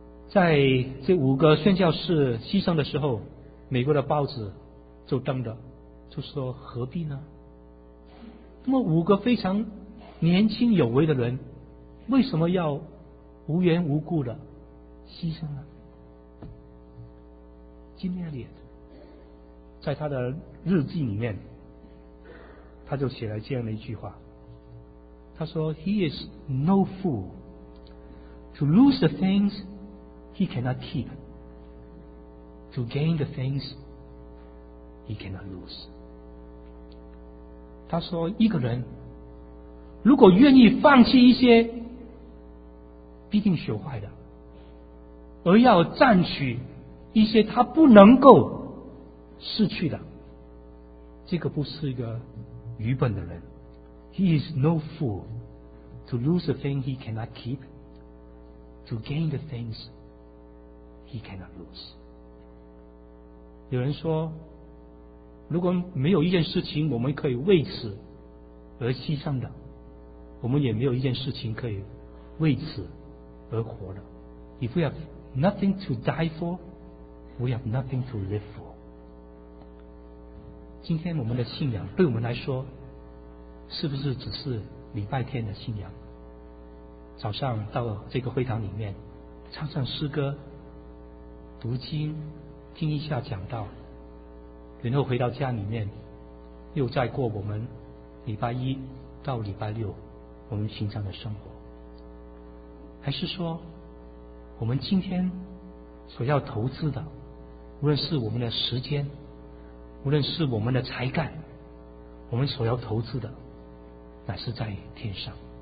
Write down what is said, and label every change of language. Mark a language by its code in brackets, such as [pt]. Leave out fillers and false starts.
[zh] 在这五个宣教士牺牲的时候，美国的报纸就登着，就说何必呢？那么五个非常年轻有为的人为什么要无缘无故的牺牲呢？金亚里在他的日记里面，他就写了这样的一句话，他说 [en] He is no fool to lose the things he cannot keep, to gain the things he cannot lose. [zh] 他说一个人如果愿意放弃一些必定朽坏的，而要占取一些他不能够失去的，这个不是一个愚笨的人。 [en] He is no fool to lose a thing he cannot keep, to gain the things he cannot lose. [zh] 有人说如果没有一件事情我们可以为此而牺牲的，我们也没有一件事情可以为此而活的。 [en] If we have nothing to die for, we have nothing to live for. [zh] 今天我们的信仰对我们来说是不是只是礼拜天的信仰？早上到这个会堂里面唱唱诗歌，读经，听一下讲道，然后回到家里面又再过我们礼拜一到礼拜六我们平常的生活，还是说我们今天所要投资的，无论是我们的时间，无论是我们的才干，我们所要投资的乃是在天上。